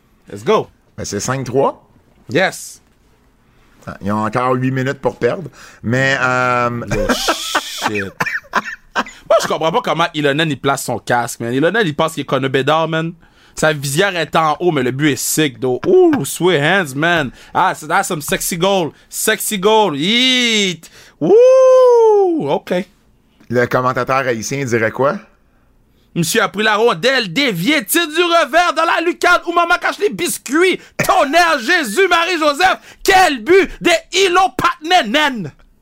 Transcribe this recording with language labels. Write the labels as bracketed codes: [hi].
[en] Let's go. [fr] Ben c'est 5-3. [en] Yes. [fr] Ils ont encore 8 minutes pour perdre. Mais... shit. Moi, je comprends pas comment Ilonen, il place son casque, man. Ilonen, il pense qu'il est Conor Bédard, man. Sa visière est en haut, mais le but est [en] sick, though. Ooh, sweet hands, man. Ah, that's some sexy goal. Sexy goal. Yeet. Woo! OK. [fr] Le commentateur haïtien dirait quoi? Monsieur a pris la rondelle, dévié, tire du revers dans la lucarne où maman cache les biscuits. Tonnerre, Jésus, Marie-Joseph, quel but des Ilon Patnenen!